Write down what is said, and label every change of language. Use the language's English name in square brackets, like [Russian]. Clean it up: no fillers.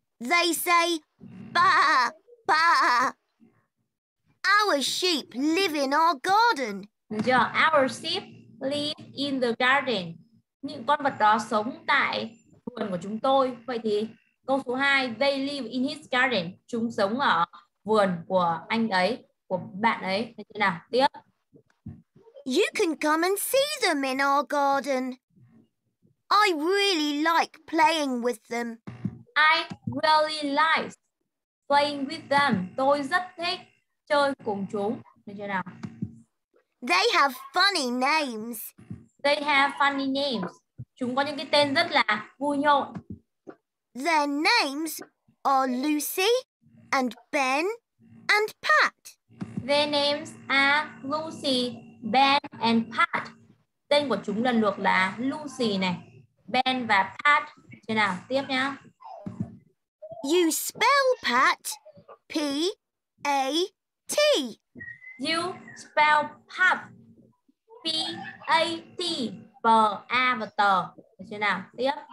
[English] They say ba ba. Our sheep live in our garden. [Vietnamese] Được chưa? [English] Our sheep live in the garden. [Vietnamese] Những con vật đó sống tại vườn của chúng tôi. Vậy thì câu số 2. [English] They live in his garden. [Vietnamese] Chúng sống ở vườn của anh ấy, của bạn ấy. Được chưa nào? Tiếp. [English] You can come and see them in our garden. I really like playing with them. I really like playing with them. [Vietnamese] Tôi rất thích chơi cùng chúng. Được chưa nào? [English] They have funny names. They have funny names. [Vietnamese] Chúng có những cái tên rất là vui nhộn. [English] Their names are Lucy and Ben and Pat. Their names are Lucy, Ben and Pat. [Vietnamese] Tên của chúng lần lượt là Lucy này, Ben và Pat. Thế nào, tiếp nhá. [English] You spell Pat, P-A-T. You spell Pat, P-A-T. B, A và T. [Vietnamese] Thế nào, tiếp.